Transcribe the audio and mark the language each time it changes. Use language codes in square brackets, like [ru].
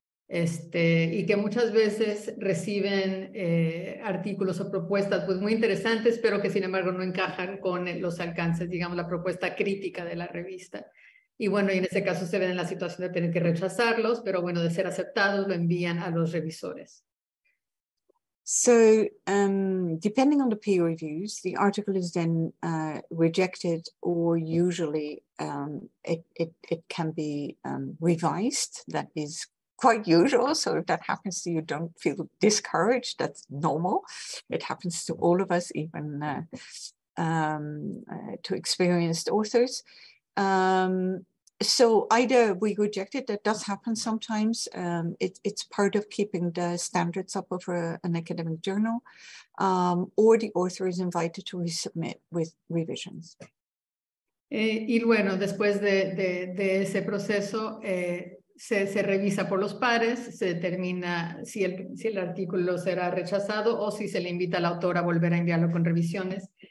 [es] Y que muchas veces reciben artículos o propuestas pues muy interesantes, pero que sin embargo no encajan con los alcances, digamos, la propuesta crítica de la revista. Y bueno, y en ese caso se ven en la situación de tener que rechazarlos, pero bueno, de ser aceptados lo envían a los revisores. [en] So, depending on the peer reviews, the article is then rejected or usually it can be revised. That is quite usual. So if that happens to you, don't feel discouraged. That's normal. It happens to all of us, even to experienced authors. So either we reject it, that does happen sometimes. It's part of keeping the standards up of an academic journal, or the author is invited to resubmit with revisions. [es] Y bueno, después de ese proceso, se revisa por los pares, se determina si el artículo será rechazado o si se le invita al autor a volver a enviarlo con revisiones.